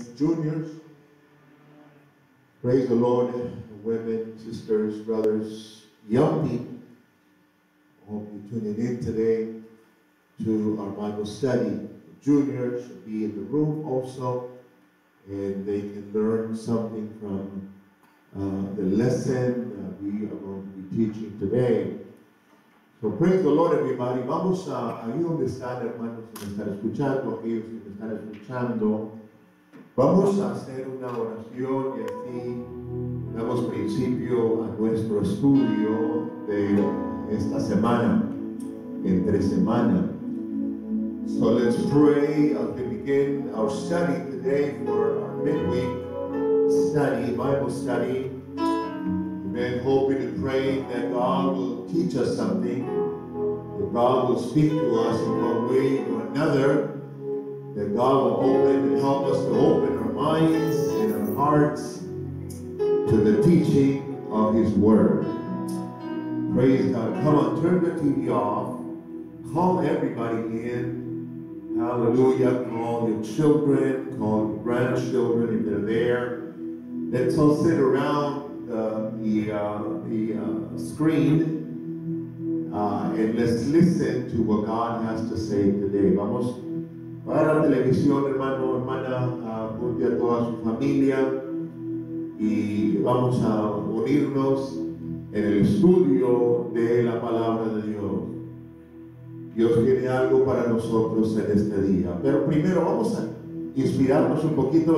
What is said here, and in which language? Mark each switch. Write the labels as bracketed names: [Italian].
[English] juniors, praise the Lord, women, sisters, brothers, young people, I hope you're tuning in today to our Bible study. Juniors should be in the room also, and they can learn something from the lesson that we are going to be teaching today. So praise the Lord, everybody. [Spanish] Vamos a ahí donde están, hermanos, si me están escuchando, aquellos que me están escuchando. Vamos a hacer una oración y así damos principio a nuestro estudio de esta semana, entre semana. [English] So let's pray as we begin our study today for our midweek study, Bible study. Amen. Hoping and praying that God will teach us something, that God will speak to us in one way or another, that God will open and help us to open our minds and our hearts to the teaching of His Word. Praise God. Come on, turn the TV off. Call everybody in. Hallelujah. Call your children. Call your grandchildren if they're there. Let's all sit around the screen and let's listen to what God has to say today. [Spanish] Vamos. Para la televisión, hermano, hermana, junte a toda su familia y vamos a unirnos en el estudio de la palabra de Dios. Dios tiene algo para nosotros en este día. Pero primero vamos a inspirarnos un poquito.